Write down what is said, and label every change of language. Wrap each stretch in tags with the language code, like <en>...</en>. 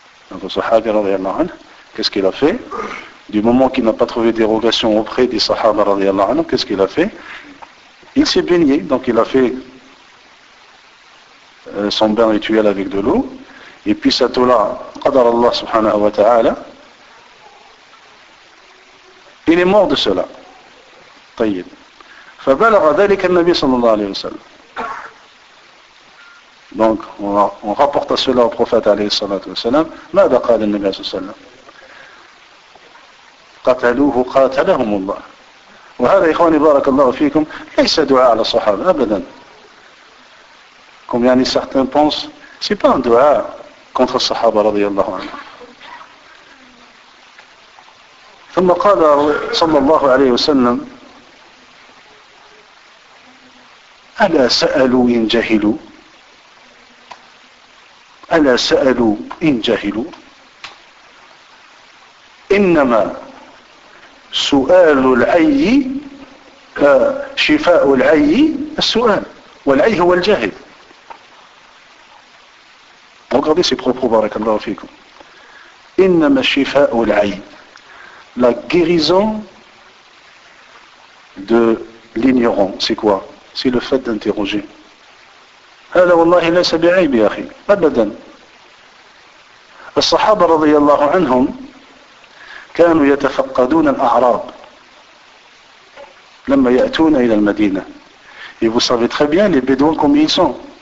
<fr>Donc Sahabi radi Allah an, qu'est-ce qu'il a fait? Du moment qu'il n'a pas trouvé dérogation auprès des Sahaba radi Allah an, qu'est-ce qu'il a fait? Il s'est baigné, donc il a fait son bain rituel avec de l'eau. Et puis cette eau-là, qadar Allah subhanahu wa ta'ala, il est mort de cela. Tayyib.</fr> <ar>فبلغ ذلك النبي صلى الله عليه وسلم.</ar> <fr>Donc on rapporte cela au prophète</fr> <ar>عليه الصلاة والسلام. ماذا قال النبي صلى الله عليه وسلم؟ قتلوه قاتلهم الله. وهذا إخواني بارك الله فيكم ليس دعاء على الصحابة أبدا.</ar> <fr>Comme يعني certains pensent, c'est pas un دعاء contre</fr> <ar>الصحابة رضي الله عنهم. ثم قال صلى الله عليه وسلم ألا سألوا إن جهلوا؟ ألا سألوا إن جهلوا؟ إنما سؤال العي شفاء العي السؤال والعي هو الجاهل.</ar> <fr>Regardez ses propos,</fr> <ar>بارك الله فيكم. إنما شفاء العي.</ar> <fr>La guérison de l'ignorant, c'est quoi? C'est le fait d'interroger.</fr> <ar>هذا والله ليس بعيب يا أخي أبدا. الصحابة رضي الله عنهم كانوا يتفقدون الأعراب لما يأتون إلى المدينة.</ar> <fr>Et vous savez très bien les bédouins comme ils sont.</fr>